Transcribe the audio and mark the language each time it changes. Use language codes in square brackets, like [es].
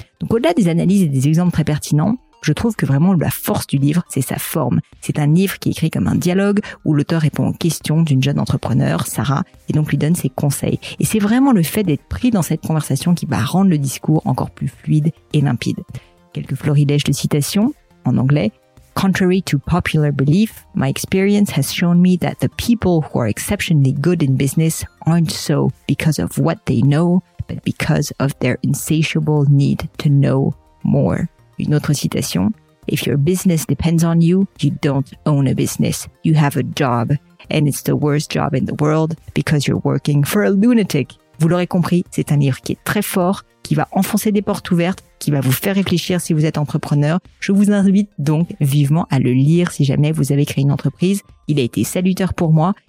[fr] Donc au-delà des analyses et des exemples très pertinents, je trouve que vraiment la force du livre, c'est sa forme. C'est un livre qui est écrit comme un dialogue où l'auteur répond aux questions d'une jeune entrepreneure, Sarah, et donc lui donne ses conseils. Et c'est vraiment le fait d'être pris dans cette conversation qui va rendre le discours encore plus fluide et limpide. Quelques florilèges de citations en anglais. [en] « Contrary to popular belief, my experience has shown me that the people who are exceptionally good in business aren't so because of what they know, but because of their insatiable need to know more. » [fr] Une autre citation, [en] « If your business depends on you, you don't own a business. You have a job, and it's the worst job in the world because you're working for a lunatic. [fr] » Vous l'aurez compris, c'est un livre qui est très fort, qui va enfoncer des portes ouvertes, qui va vous faire réfléchir si vous êtes entrepreneur. Je vous invite donc vivement à le lire si jamais vous avez créé une entreprise. Il a été salutaire pour moi